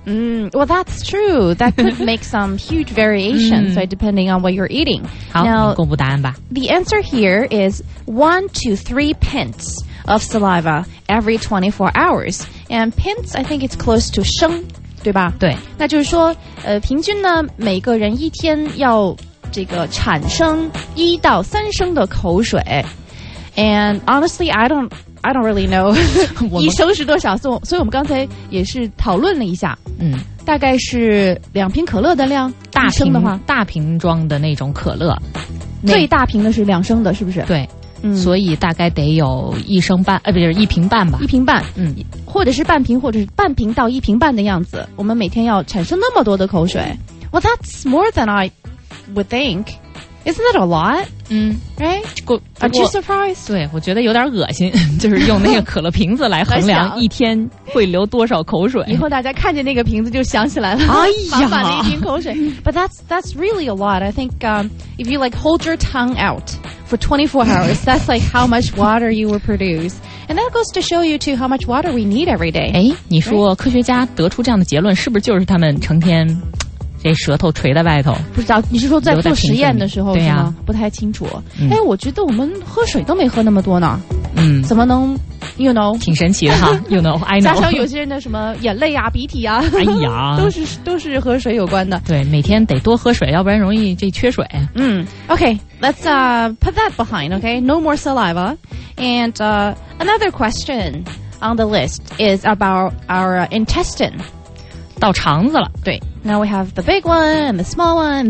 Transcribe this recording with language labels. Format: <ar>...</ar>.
<en>Well, that's true. That could make some huge variations, so depending on what you're eating.</en> <zh>好，你公布答案吧。</zh> <en>The answer here is 1 to 3 pints of saliva every 24 hours. And pints, I think it's close to 升，</en> <zh>对吧？对。那就是说，平均呢，每个人一天要这个产生1到3升的口水。</zh> <en>And honestly, I don't really know</en> <zh>一升是多少，所以我们刚才也是讨论了一下，大概是2瓶可乐的量，大一升的话，大瓶装的那种可乐，最大瓶的是2升的，是不是？对，所以大概得有1升半，不就是1瓶半吧？ 1瓶半，或者是半瓶，或者是半瓶到1瓶半的样子，我们每天要产生那么多的口水。</zh> <en>Well, that's more than I would think. Isn't that a lot? Right? Aren't you surprised?</en> <zh>对，我觉得有点恶心，就是用那个可乐瓶子来衡量一天会流多少口水。以后大家看见那个瓶子就想起来了，哎呀，满满的一瓶口水。</zh> <en>But that's really a lot. I think if you like hold your tongue out for 24 hours, that's like how much water you will produce. And that goes to show you too how much water we need every day.</en> <zh>哎，你说科学家得出这样的结论，是不是就是他们成天？这舌头垂在外头，不知道你是说在做实验的时候是吗？对啊、不太清楚。哎，我觉得我们喝水都没喝那么多呢。怎么能 ？</zh> <en>You know，</en> <zh>挺神奇的哈。</zh> <en>You know， I know。</en> <zh>加上有些人的什么眼泪啊、鼻涕啊，哎呀，都是和水有关的。对，每天得多喝水，要不然容易这缺水。</zh> <en>Okay， let's put that behind. Okay， no more saliva. And another question on the list is about our intestine.</en> <zh>到肠子了，对。</zh> <en>Now we have the big one and the small one.</en>